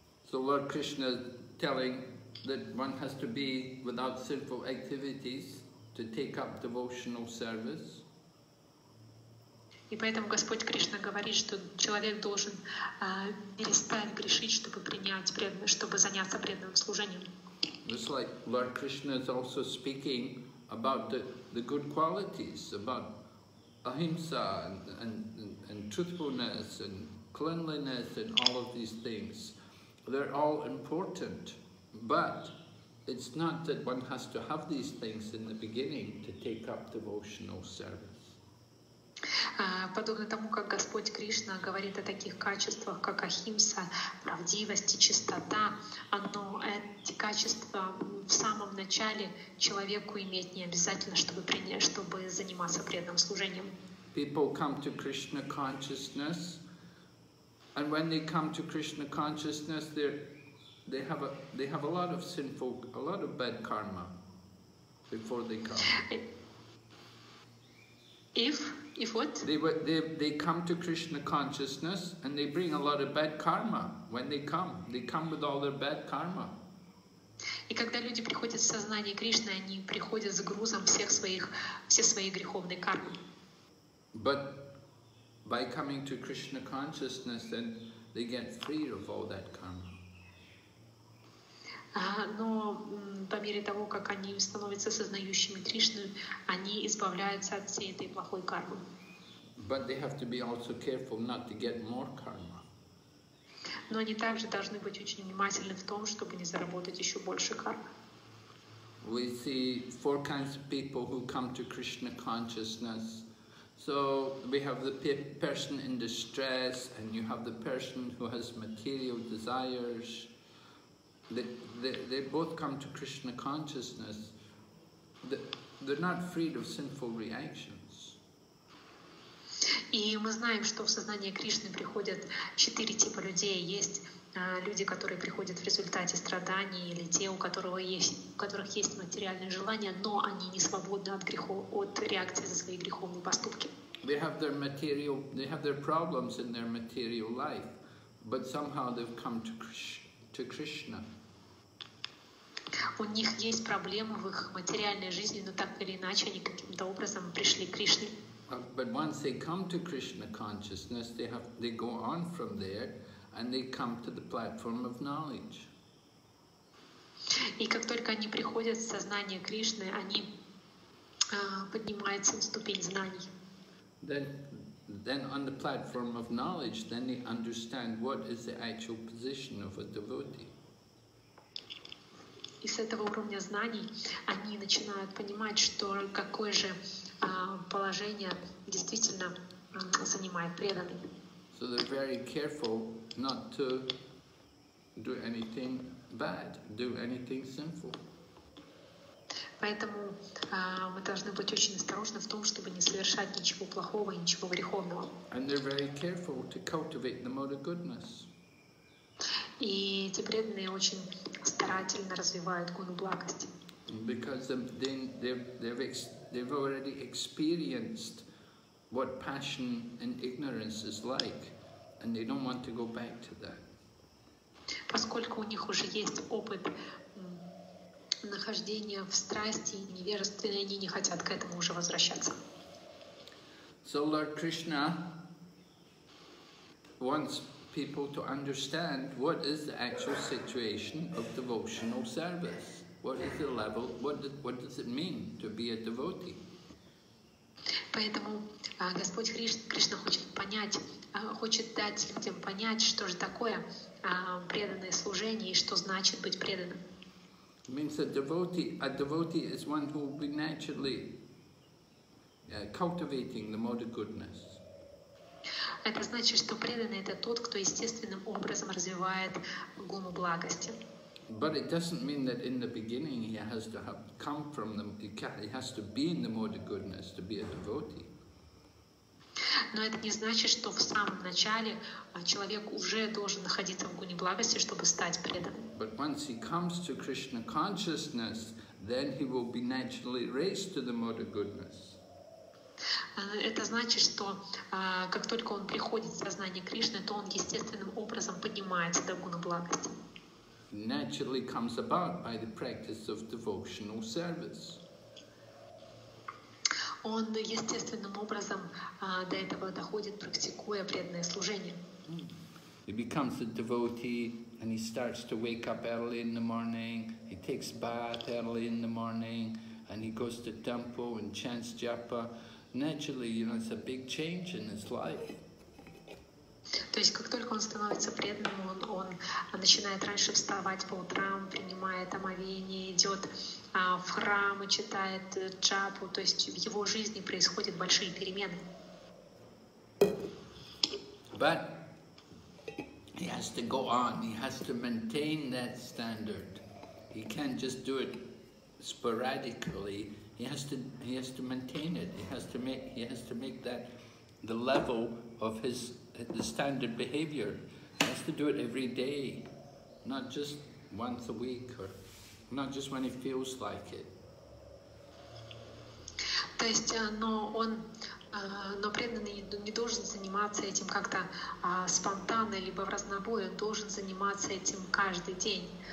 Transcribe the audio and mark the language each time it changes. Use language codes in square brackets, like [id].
[en] So Lord Krishna telling that one has to be without sinful activities to take up devotional service. [ru] И поэтому Господь Кришна говорит, что человек должен перестать грешить, чтобы принять преданное, чтобы заняться преданным служением. [en] Just like Lord Krishna is also speaking about the good qualities, about ahimsa and truthfulness and cleanliness and all of these things. They're all important. But it's not that one has to have these things in the beginning to take up devotional service. [ru] Подобно тому, как Господь Кришна говорит о таких качествах, как ахимса, правдивость, чистота, но эти качества в самом начале человеку иметь не обязательно, чтобы заниматься преданным служением. [en] People come to Krishna consciousness, and when they come to Krishna consciousness, they have a lot of sinful, a lot of bad karma before they come. If what? They come to Krishna consciousness and they bring a lot of bad karma when they come. They come with all their bad karma. [ru] И когда люди приходят в сознание Кришны, они приходят с грузом всей своей греховной кармы. [en] But by coming to Krishna consciousness, then they get free of all that karma. [ru] Но по мере того, как они становятся сознающими Кришну, они избавляются от всей этой плохой кармы. [en] But they have to be also careful not to get more karma. [ru] Но они также должны быть очень внимательны в том, чтобы не заработать еще больше кармы. [en] We see four kinds of people who come to Krishna consciousness. So we have the person in distress, and you have the person who has material desires. They both come to Krishna consciousness. They're not freed of sinful reactions. [ru] И мы знаем, что в сознание Кришны приходят четыре типа людей. Есть люди, которые приходят в результате страданий, или те, у которых есть материальные желания, но они не свободны от грехов, от реакции за свои греховные поступки. [en] They have their material, they have their problems in their material life, but somehow they've come to Krishna. [ru] У них есть проблемы в их материальной жизни, но так или иначе они каким-то образом пришли к Кришне. [en] But once they come to Krishna consciousness, they go on from there, and they come to the platform of knowledge. [ru] И как только они приходят в сознание Кришны, они поднимаются на ступень знаний. [en] Then on the platform of knowledge, then they understand what is the actual position of a devotee. [ru] И с этого уровня знаний они начинают понимать, что какое же положение действительно занимает преданный. [en] So they're very careful not to do anything bad, do anything sinful. [ru] Поэтому мы должны быть очень осторожны в том, чтобы не совершать ничего плохого и ничего греховного. [en] And they're very careful to cultivate the mode of goodness. [ru] И эти преданные очень старательно развивают гуну благости. [en] Because they've already experienced what passion and ignorance is like, and they don't want to go back to that. [ru] Поскольку у них уже есть опыт нахождения в страсти и невежестве, они не хотят к этому уже возвращаться. [en] So Lord Krishna wants people to understand what is the actual situation of devotional service. What is the level? What does it mean to be a devotee? [ru] Поэтому Господь Кришна хочет дать людям понять, что же такое преданное служение и что значит быть преданным. [en] Means a devotee is one who will be naturally cultivating the mode of goodness. [ru] Это значит, что преданный — это тот, кто естественным образом развивает гуну благости. [en] But it doesn't mean that in the beginning he has to have come from the, he has to be in the mode of goodness to be a devotee. [ru] Но это не значит, что в самом начале человек уже должен находиться в гуне благости, чтобы стать преданным. [en] But once he comes to Krishna consciousness, then he will be naturally raised to the mode of goodness. [ru] Это значит, что как только он приходит в сознание Кришны, то он естественным образом поднимается до гуны благости. [en] Naturally comes about by the practice of devotional service. [ru] Он естественным образом до этого доходит, практикуя преданное служение. [en] He becomes a devotee, and he starts to wake up early in the morning. He takes bath early in the morning, and he goes to temple and chants japa. Naturally, you know, it's a big change in his life. [ru] То есть, как только он становится преданным, он начинает раньше вставать по утрам, принимает омовение, идет в храм и читает джапу. То есть в его жизни происходят большие перемены. [en] But he has to go on. He has to maintain that standard. He can't just do it sporadically. He has to maintain it. He has to make that the level of his the standard behavior. He has to do it every day, not just once a week, or not just when he feels like it. [ru] То есть, но преданный не должен заниматься этим как-то спонтанно, либо в разнобой, он должен заниматься этим каждый день.